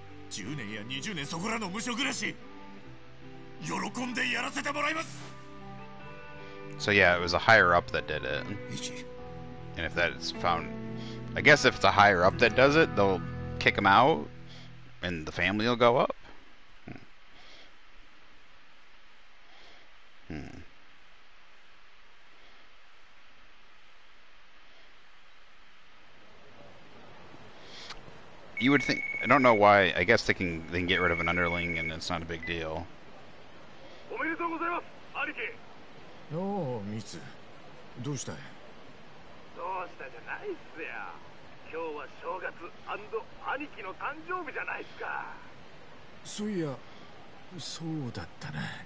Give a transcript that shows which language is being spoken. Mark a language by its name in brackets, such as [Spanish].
[Japanese] 10年や20年そこらの無職暮らし、喜んでやらせてもらいます。 [English] So yeah, it was a higher up that did it. And if that's found, I guess if it's a higher up that does it, they'll. Kick him out, and the family will go up. You would think. I don't know why. I guess they can get rid of an underling, and it's not a big deal. [Japanese] おめでとうございます、兄貴。よう、ミツ。どうしたい？どうしたじゃないっすよ。今日は正月&兄貴の誕生日じゃないっすか。そういや、そうだったな。